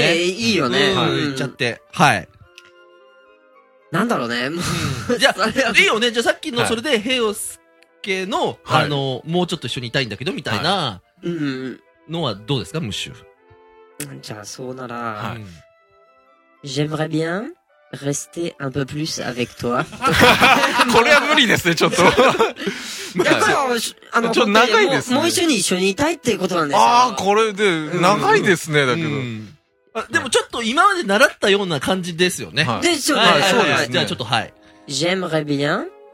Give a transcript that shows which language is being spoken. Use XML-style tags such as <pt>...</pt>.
<ja>ね、いいよね。はい、行っちゃって。はい。なんだろうね、もう。じゃあ、いいよね。じゃあさっきの、それで、平洋介の、はい、もうちょっと一緒にいたいんだけど、みたいな、のはどうですか、ムッシュ。じゃあ、そうなら、はい、</ja> <fr>j'aimerais bien rester un peu plus avec toi.</fr> <ja>これは無理ですね、ちょっと。やっぱ、ちょっと長いですね。もう一緒にいたいっていうことなんですよ。ああ、これで、長いですね、だけど。あ、でもちょっと今まで習ったような感じですよね。はい。で、ちょっと、はい、そうです。じゃあちょっと、はい。</ja> <fr>J'aimerais bien.</fr>